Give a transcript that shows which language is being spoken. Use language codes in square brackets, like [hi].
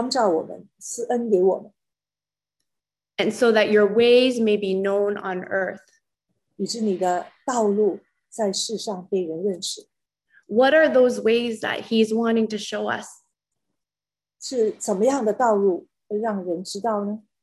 [zh] 愿他的脸光照我们,赐恩给我们。 [en] And so that your ways may be known on earth. [zh] 以致你的道路在世上被人认识。 [en] What are those ways that he's wanting to show us? [zh] 是怎么样的道路让人知道呢?